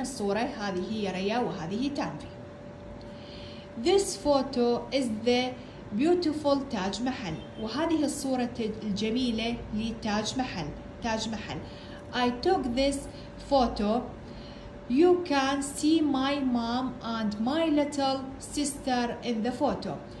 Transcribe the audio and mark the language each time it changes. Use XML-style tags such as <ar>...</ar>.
<ar>الصورة هذه هي ريا وهذه تانفي.</ar> <en>This photo is the beautiful Taj Mahal.</en> <ar>وهذه الصورة الجميلة لتاج محل.</ar> <en>I took this photo. You can see my mom and my little sister in the photo.</en>